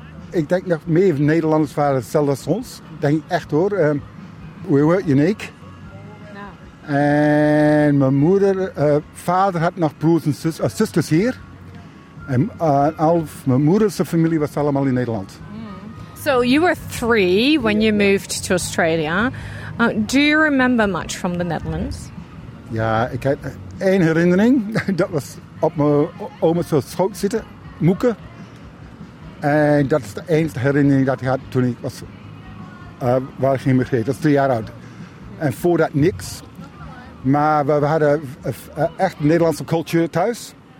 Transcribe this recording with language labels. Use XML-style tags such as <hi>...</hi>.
<nl>Ik denk nog meer Nederlanders waren hetzelfde als ons. Denk ik echt hoor.</nl> <en>We were uniek.</en> <nl>En mijn moeder, vader had nog broers en zusters hier. En al mijn moeder's familie was allemaal in Nederland.</nl> <en>So you were three when you moved to Australia. Do you remember much from the Netherlands?</en> <nl>Ja, ik heb één herinnering. Dat was op mijn oma's schoot zitten, moeken. En dat is de enige herinnering dat ik had toen ik was, waar ik geïmigreerd. Dat is 3 jaar oud. En voor dat niks. Maar we hadden echt Nederlandse cultuur thuis.</nl>